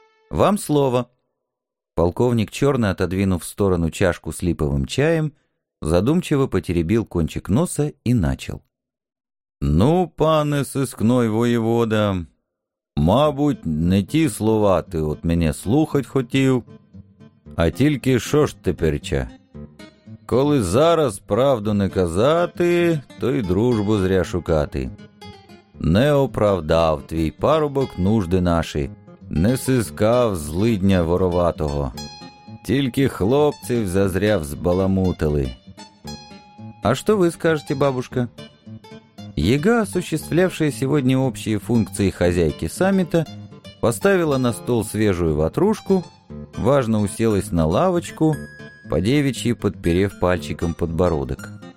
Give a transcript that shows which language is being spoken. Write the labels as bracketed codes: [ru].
[ru] «Вам слово!» Полковник Черный, отодвинув в сторону чашку с липовым чаем, задумчиво потеребил кончик носа и начал. [uk] «Ну, пане сыскной воевода, мабуть, не ті слова ты [ru] от меня [uk] слухать хотів, а тільки що ж теперча? Коли зараз правду не казати, то й дружбу зря шукати. Не оправдав твій парубок нужди наші, не сискав злидня вороватого. Тільки хлопців зазря взбаламутили». [ru] «А что вы скажете, бабушка?» Яга, осуществлявшая сегодня общие функции хозяйки саммита, поставила на стол свежую ватрушку, важно уселась на лавочку, по-девичьи подперев пальчиком подбородок.